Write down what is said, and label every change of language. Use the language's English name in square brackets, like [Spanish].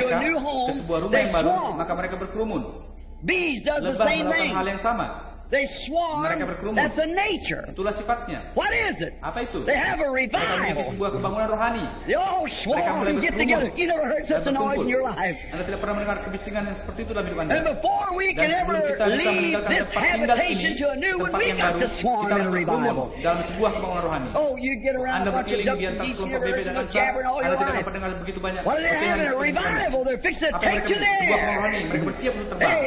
[English] to a new home, [Indonesian] ke sebuah rumah [English] they [Indonesian] yang baru, [English] swarm. [Indonesian] Maka mereka berkerumun. [English] Bees does the same thing. [Indonesian] Hal yang sama. [English] They swarm. [Indonesian] Mereka berkerumun. [English] That's a nature. [Indonesian] Itulah sifatnya. [English] What is it? [Indonesian] Apa itu? [English] They have a revival. [Indonesian] Mereka memiliki sebuah kebangunan rohani. [English] They all swarm and get together. You never heard such a noise in your life. [Indonesian] Anda tidak pernah mendengar kebisingan yang seperti itu dalam hidup Anda. [English] And before we can ever leave this habitation to a new one, we got to swarm in a revival. [Indonesian] Dalam sebuah kebangunan rohani. [English] Oh, you get around [Indonesian] Anda [English] a bunch of ducks and geese and you're hearing some jabbering all your life. [Indonesian] Anda tidak mendengar begitu banyak. [English] What are they having a revival? They're fixing to take you there. [Indonesian] Sebuah kebangunan rohani. Mereka bersiap untuk terbang.